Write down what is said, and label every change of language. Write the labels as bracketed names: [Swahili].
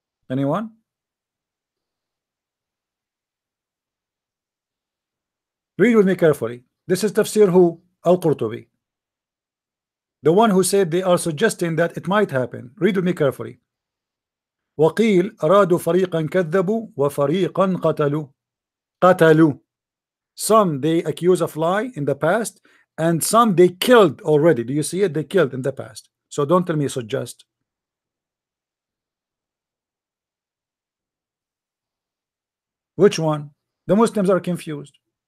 [English] Anyone? Read with me carefully. This is Tafsir who? Al-Qurtubi. The one who said they are suggesting that it might happen. Read with me carefully. [Arabic] وقيل أرادوا فريقا كذبوا وفريقا قتلوا قتلوا. [English] Some they accuse of lie in the past, and some they killed already. Do you see it? They killed in the past. So don't tell me suggest. Which one? The Muslims are confused.